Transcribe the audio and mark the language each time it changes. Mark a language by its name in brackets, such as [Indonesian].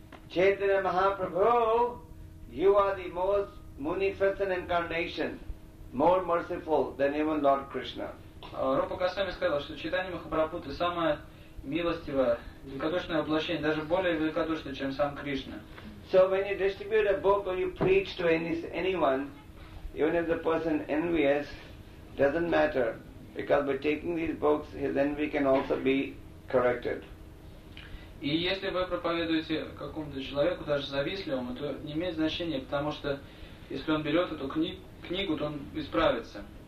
[English] Chaitanya Mahaprabhu, you are the most munificent incarnation, more merciful than even Lord Krishna. [Russian] Рупа Госвами сказал, что Чайтанья Махапрабху – ты самое милостивое, великодушное воплощение, даже более великодушное, чем сам Кришна. [English] So when you distribute a book or you preach to anyone, even if the person envious, doesn't matter, because by taking these books, his envy can also be corrected. [Russian] И если вы проповедуете какому-то человеку, даже завистливому, то не имеет значения, потому что если он берет эту книгу, то он исправится.